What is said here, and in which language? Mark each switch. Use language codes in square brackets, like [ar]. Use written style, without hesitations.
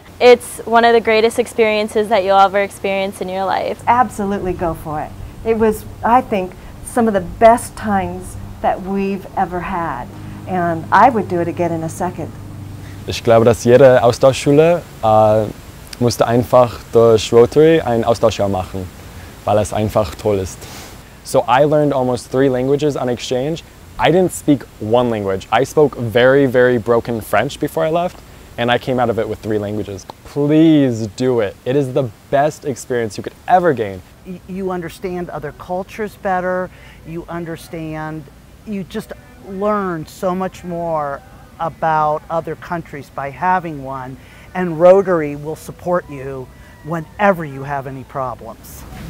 [en] It's one of the greatest experiences that you'll ever experience in your life. Absolutely, go for it. It was, I think, some of the best times that we've ever had. And I would do it again in a second. [de] Ich glaube, dass jede Austauschschule musste einfach durch Rotary ein Austauschjahr machen, weil es einfach toll ist. [en] So I learned almost 3 languages on exchange. I didn't speak one language. I spoke very, very broken French before I left, and I came out of it with 3 languages. Please do it. It is the best experience you could ever gain. You understand other cultures better. You understand, you just learn so much more about other countries by having one, and Rotary will support you whenever you have any problems.